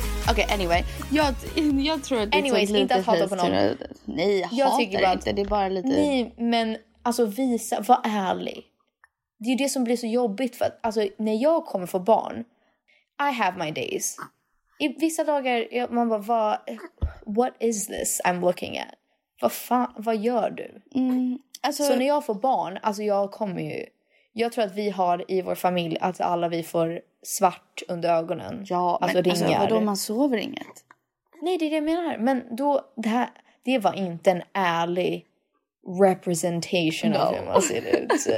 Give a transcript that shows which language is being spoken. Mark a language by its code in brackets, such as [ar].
[sv] Okej, okay, anyway. Jag tror att det [en] anyways, [sv] lite inte att hata på någon. Nej, jag tycker bara att, inte. Det är bara lite... Nej, men alltså visa, var ärlig. Det är ju det som blir så jobbigt. För att, alltså, när jag kommer få barn, [en] I have my days. [sv] I vissa dagar, man bara, [en] what is this I'm looking at? [sv] Vad gör du? Mm, alltså... Så när jag får barn, alltså jag kommer ju... Jag tror att vi har i vår familj att alla vi får svart under ögonen. Ja, alltså, men ringar. Alltså, vadå, man sover inget? Nej, det är det jag menar. Men då, det var inte en ärlig representation av hur man ser ut.